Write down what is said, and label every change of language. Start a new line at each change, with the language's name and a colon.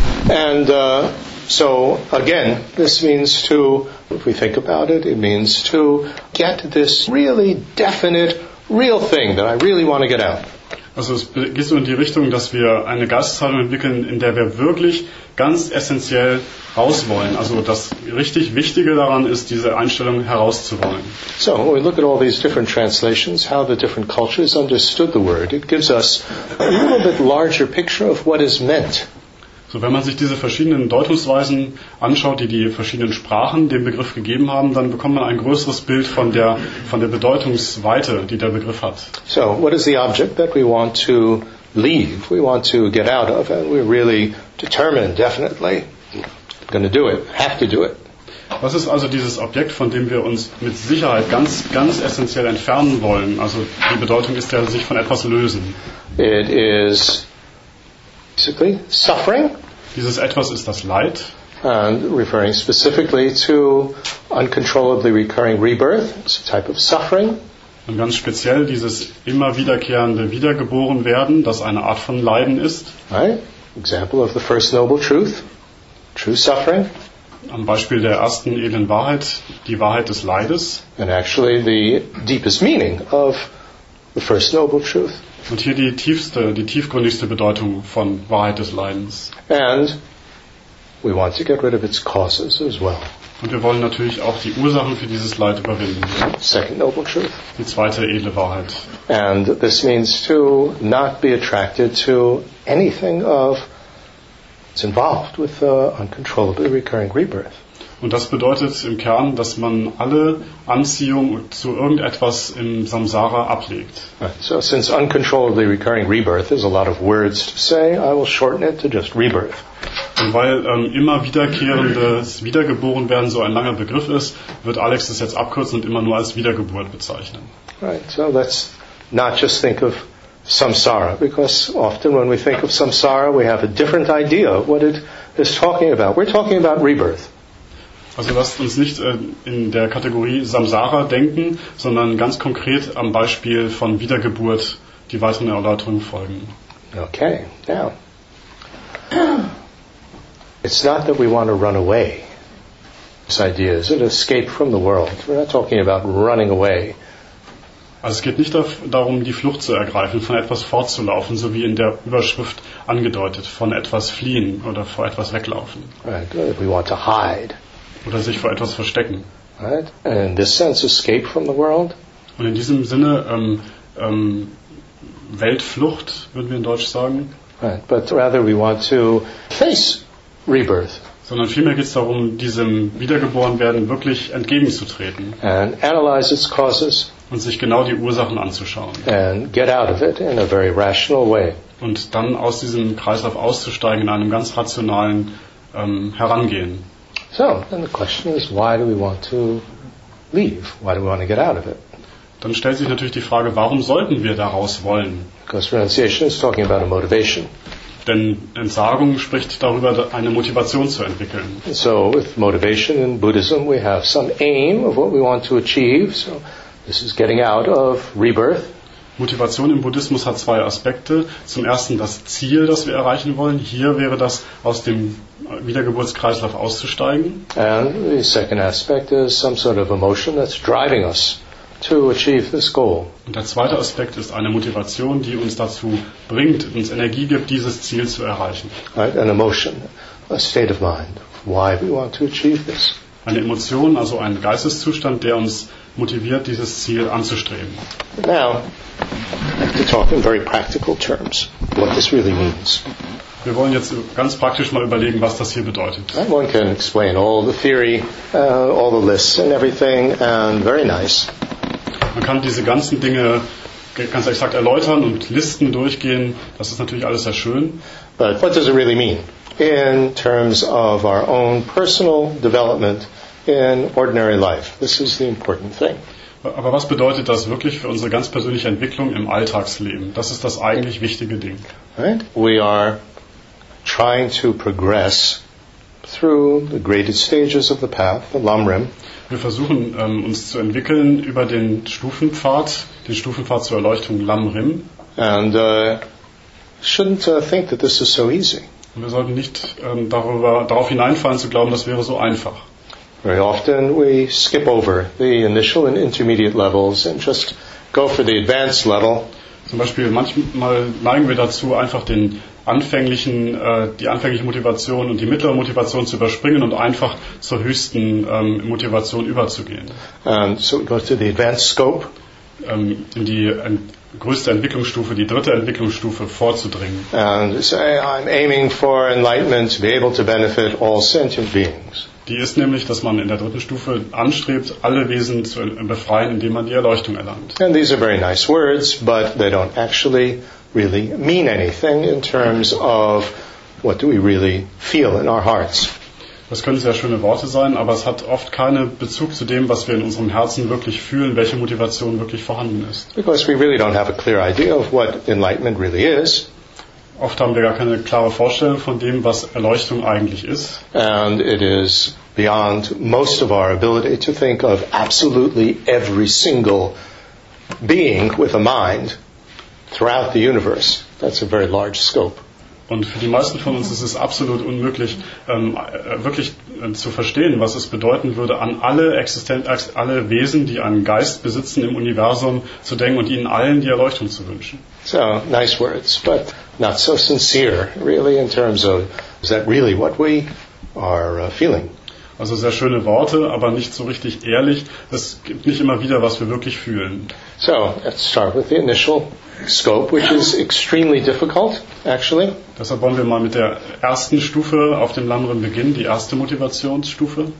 English: And so again, this means to, if we think about it, it means to get this really definite, real thing that I really want to get out.
German: Also es geht so in die Richtung, dass wir eine Geisteshaltung entwickeln, in der wir wirklich ganz essentiell raus wollen. Also das richtig Wichtige daran ist, diese Einstellung herauszuholen.
English: So, when we look at all these different translations, how the different cultures understood the word, it gives us a little bit larger picture of what is meant.
German: So, wenn man sich diese verschiedenen Deutungsweisen anschaut, die die verschiedenen Sprachen dem Begriff gegeben haben, dann bekommt man ein größeres Bild von der Bedeutungsweite, die der Begriff hat.
English: So, what is the object that we want to leave? We want to get out of, and we're really determined, definitely, going to do it, have to do it.
German: Was ist also dieses Objekt, von dem wir uns mit Sicherheit ganz, ganz essentiell entfernen wollen? Also, die Bedeutung ist ja, sich von etwas lösen.
English: It is basically suffering.
German: Dieses etwas ist das Leid.
English: And referring specifically to uncontrollably recurring rebirth, it's a type of suffering.
German: Und ganz speziell dieses immer wiederkehrende wiedergeboren werden, das eine Art von Leiden ist.
English: Right. Example of the first noble truth, true suffering.
German: Am Beispiel der ersten edlen Wahrheit, die Wahrheit des Leides.
English: And actually the deepest meaning of the first noble truth.
German: Und hier die tiefste, die tiefgründigste Bedeutung von Wahrheit des Leidens.
English: And we want to get rid of its causes as well.
German: Und wir wollen natürlich auch die Ursachen für dieses Leid überwinden.
English: Second noble truth.
German: Die zweite edle Wahrheit.
English: And this means to not be attracted to anything of what's involved with the uncontrollably recurring rebirth.
German: Und das bedeutet im Kern, dass man alle Anziehung zu irgendetwas im Samsara ablegt.
English: So, since uncontrollably recurring rebirth is a lot of words to say, I will shorten it to just rebirth.
German: Und weil immer wiederkehrendes Wiedergeborenwerden so ein langer Begriff ist, wird Alex das jetzt abkürzen und immer nur als Wiedergeburt bezeichnen.
English: Right, so let's not just think of samsara, because often when we think of samsara, we have a different idea of what it is talking about. We're talking about rebirth.
German: Also lasst uns nicht in der Kategorie Samsara denken, sondern ganz konkret am Beispiel von Wiedergeburt die weiteren Erläuterungen folgen.
English: Okay, now. It's not that we want to run away. This idea is an escape from the world. We're not talking about running away.
German: Also es geht nicht darum, die Flucht zu ergreifen, von etwas fortzulaufen, so wie in der Überschrift angedeutet, von etwas fliehen oder vor etwas weglaufen.
English: Right. We want to hide.
German: Oder sich vor etwas verstecken.
English: Right. In this sense, escape from the world.
German: Und in diesem Sinne Weltflucht, würden wir in Deutsch sagen.
English: Right. But rather we want to face rebirth.
German: Sondern vielmehr geht es darum, diesem Wiedergeborenwerden wirklich entgegenzutreten.
English: And analyze its causes.
German: Und sich genau die Ursachen anzuschauen.
English: And get out of it in a very rational way.
German: Und dann aus diesem Kreislauf auszusteigen in einem ganz rationalen Herangehen.
English: So, then the question is, why do we want to leave? Why do we want to get out of it?
German: Dann stellt sich natürlich die Frage, warum sollten wir daraus wollen?
English: Because renunciation is talking about a motivation.
German: Denn Entsagung spricht darüber, eine Motivation zu entwickeln.
English: So, with motivation in Buddhism, we have some aim of what we want to achieve. So, this is getting out of rebirth.
German: Motivation im Buddhismus hat zwei Aspekte. Zum ersten das Ziel, das wir erreichen wollen. Hier wäre das, aus dem Wiedergeburtskreislauf auszusteigen.
English: And the second aspect is some sort of emotion that's driving us to achieve this goal.
German: Und der zweite Aspekt ist eine Motivation, die uns dazu bringt, uns Energie gibt, dieses Ziel zu erreichen.
English: Right, an emotion, a state of mind, why we want to achieve this.
German: Eine Emotion, also ein Geisteszustand, der uns motiviert, dieses Ziel anzustreben.
English: Now, I have to talk in very practical terms, what this really means.
German: Wir wollen jetzt ganz praktisch mal überlegen, was das hier bedeutet.
English: And one can explain all the theory, all the lists and everything, and very nice.
German: Man kann diese ganzen Dinge ganz exakt erläutern und Listen durchgehen. Das ist natürlich alles sehr schön.
English: But what does it really mean in terms of our own personal development in ordinary life? This is the important thing.
German: Aber was bedeutet das wirklich für unsere ganz persönliche Entwicklung im Alltagsleben? Das ist das eigentlich wichtige Ding.
English: Right? We are trying to progress through the graded stages of the path, the lamrim.
German: Wir versuchen uns zu entwickeln über den Stufenpfad zur Erleuchtung Lamrim.
English: And shouldn't think that this is so easy.
German: Und wir sollten nicht darauf hineinfallen zu glauben, das wäre so einfach.
English: Very often we skip over the initial and intermediate levels and just go for the advanced level.
German: Zum Beispiel manchmal neigen wir dazu, einfach den anfängliche Motivation und die mittlere Motivation zu überspringen und einfach zur höchsten Motivation überzugehen.
English: So we go to the advanced scope.
German: In die größte Entwicklungsstufe, die dritte Entwicklungsstufe vorzudringen.
English: And say I'm aiming for enlightenment to be able to benefit all sentient beings.
German: Die ist nämlich, dass man in der dritten Stufe anstrebt, alle Wesen zu befreien, indem man die Erleuchtung erlangt.
English: And these are very nice words, but they don't actually really mean anything in terms of what do we really feel in our hearts.
German: Das können sehr schöne Worte sein, aber es hat oft keinen Bezug zu dem, was wir in unserem Herzen wirklich fühlen, welche Motivation wirklich vorhanden ist.
English: Because we really don't have a clear idea of what enlightenment really is.
German: Oft haben wir gar keine klare Vorstellung von dem, was Erleuchtung eigentlich ist.
English: And it is beyond most of our ability to think of absolutely every single being with a mind throughout the universe. That's a very large scope.
German: Und für die meisten von uns ist es absolut unmöglich, wirklich zu verstehen, was es bedeuten würde, an alle Wesen, die einen Geist besitzen im Universum, zu denken und ihnen allen die Erleuchtung zu wünschen.
English: So, nice words, but not so sincere, really, in terms of, is that really what we are feeling?
German: Also sehr schöne Worte, aber nicht so richtig ehrlich. Es gibt nicht immer wieder, was wir wirklich fühlen.
English: So, let's start with the initial scope, which is extremely difficult, actually.
German: Deshalb wollen wir mal mit der ersten Stufe auf dem Lamrim beginnen, die erste Motivationsstufe.